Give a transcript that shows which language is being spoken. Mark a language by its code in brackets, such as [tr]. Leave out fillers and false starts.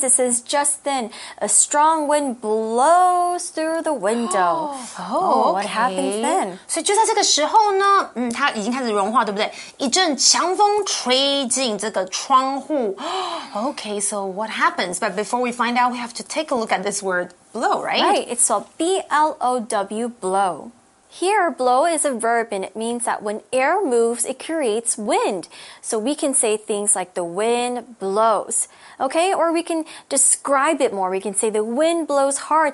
[en] It says just then a strong wind blows through the window. Oh, okay. What happens then? [zh] 所以就在这个时候呢，它已经开始融化，对不对？一阵强风吹进这个窗户。 [en] Okay, so what happens? But before we find out, we have to take a look at this word blow, right? Right, it's spelled B-L-O-W, blow. Here, blow is a verb and it means that when air moves, it creates wind. So we can say things like the wind blows. Okay, or we can describe it more. We can say the wind blows hard.